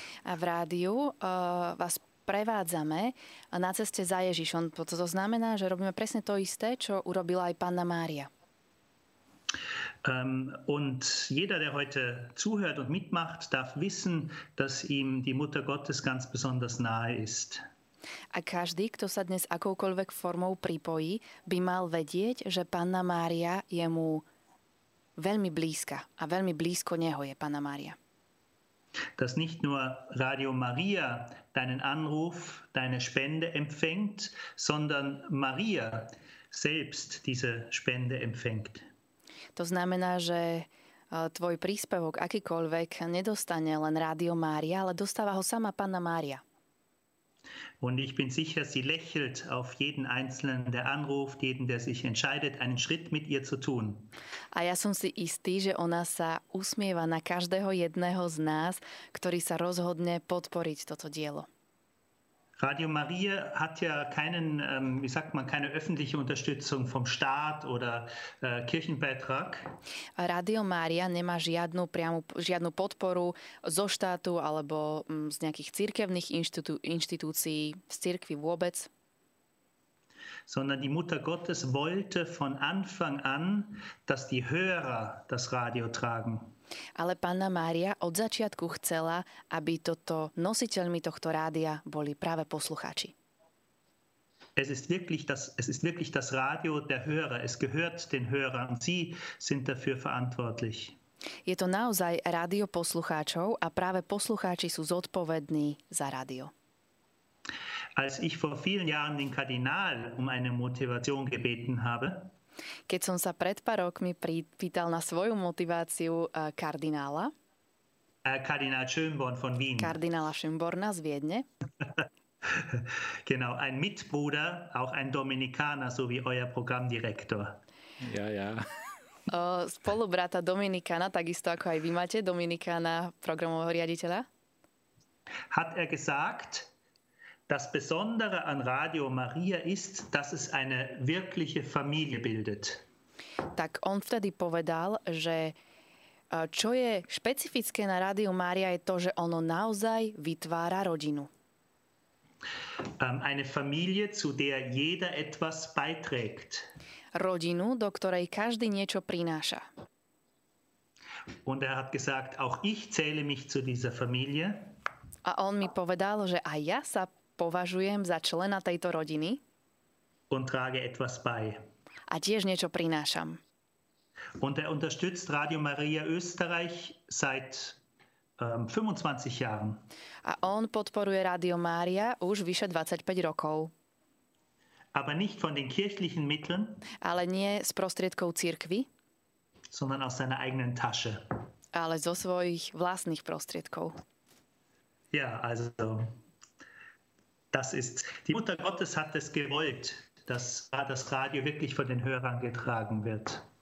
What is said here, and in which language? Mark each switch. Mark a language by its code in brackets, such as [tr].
[sk] A v rádiu vás prevádzame na ceste za Ježišom. To znamená, že robíme presne to isté, čo urobila aj Panna Mária. [de] Und jeder, der heute zuhört und mitmacht, darf wissen, dass ihm die Mutter Gottes ganz besonders nahe ist. [sk] A každý, kto sa dnes akoukoľvek formou pripojí, by mal vedieť, že Panna Mária je mu veľmi blízka a veľmi blízko neho je Panna Mária. [de] Dass nicht nur Radio Maria deinen Anruf, deine Spende empfängt, sondern Maria selbst diese Spende empfängt. [sk] To znamená, že tvoj príspevok akýkoľvek nedostane len Radio Mária, ale dostáva ho sama Panna Mária. [de] Und ich bin sicher, sie lächelt auf jeden Einzelnen, der anruft, jeden, der sich entscheidet, einen Schritt mit ihr zu tun. [sk] A ja som si istý, že ona sa usmieva na každého jedného z nás, ktorý sa rozhodne podporiť toto dielo. [de] Radio Maria hat ja keinen, wie sagt man, keine öffentliche Unterstützung vom Staat oder Kirchenbeitrag. [sk] Radio Maria nemá žiadnu podporu zo štátu alebo z nejakých cirkevných inštitúcií, z cirkvi vôbec. [de] sondern die Mutter Gottes wollte von Anfang an, dass die Hörer das Radio tragen. [sk] Ale Panna Mária od začiatku chcela, aby toto nositeľmi tohto rádia boli práve poslucháči. [de] Es ist wirklich das Radio der Hörer. Es gehört den Hörern. Sie sind dafür verantwortlich. [sk] Je to naozaj rádio poslucháčov a práve poslucháči sú zodpovední za rádio. [de] Als ich vor vielen Jahren den Kardinal um eine Motivation gebeten habe, [sk] keď som sa pred pár rokmi pýtal na svoju motiváciu kardinála, [de] Kardinál Schönborn von Wien. [sk] Kardinála Schönborna z Viedne. [de] Genau, ein Mitbruder, auch ein Dominikaner, so wie euer Programmdirektor. Ja, ja. [sk] Spolubrata Dominikana, takisto ako aj vy máte Dominikana, programového riaditeľa. [de] Hat er gesagt, das Besondere an Radio Maria ist, dass es eine wirkliche Familie bildet. [sk] Tak on vtedy povedal, že čo je špecifické na Radio Maria je to, že ono naozaj vytvára rodinu. [de] Eine Familie, zu der jeder etwas beiträgt. [sk] Rodinu, do ktorej každý niečo prináša. [de] Und er hat gesagt, auch ich zähle mich zu dieser Familie. [sk] A on mi povedal, že aj ja sa považujem za člena tejto rodiny. [de] Und trage etwas bei. [sk] A tiež niečo prinášam. [de] Und er unterstützt Radio Maria Österreich seit 25 Jahren. [sk] A on podporuje Radio Mária už vyše 25 rokov. [de] Aber nicht von den kirchlichen Mitteln, [sk] ale nie z prostriedkov cirkvi, [de] sondern aus seiner eigenen Tasche. [sk] Ale zo svojich vlastných prostriedkov. [de] Ja, also das ist die Mutter Gottes hat es gewollt, dass das Radio wirklich von den Hörern getragen wird.